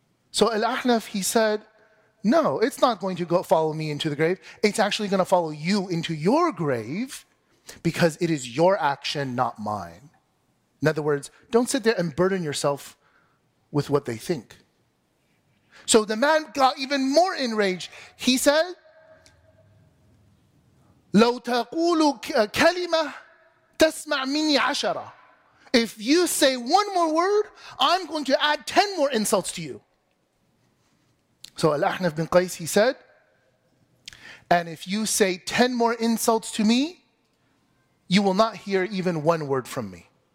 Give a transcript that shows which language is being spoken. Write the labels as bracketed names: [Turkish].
[English] So Al-Ahnaf, he said, no, it's not going to go follow me into the grave. It's actually going to follow you into your grave because it is your action, not mine. In other words, don't sit there and burden yourself with what they think. So the man got even more enraged. He said, [Arabic] لو تقول كلمة تسمع مني عشرة. [English] If you say one more word, I'm going to add 10 more insults to you. So Al-Ahnaf bin Qais, he said, and if you say 10 more insults to me, you will not hear even one word from me.